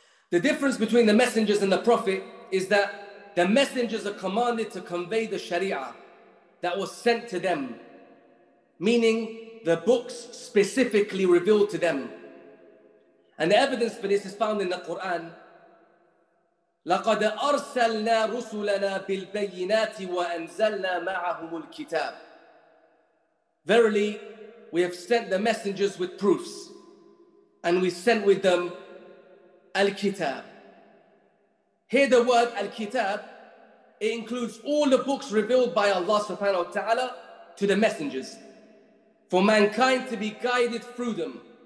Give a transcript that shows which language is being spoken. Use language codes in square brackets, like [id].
[en] The difference between the messengers and the prophet is that the messengers are commanded to convey the sharia that was sent to them, meaning the books specifically revealed to them. And the evidence for this is found in the Quran. [ar] لقد أرسلنا رسلنا بالبينات وأنزلنا معهم الكتاب. [en] Verily, we have sent the messengers with proofs, and we sent with them al-kitab. Here, the word al-kitab, it includes all the books revealed by Allah subhanahu wa ta'ala to the messengers, for mankind to be guided through them.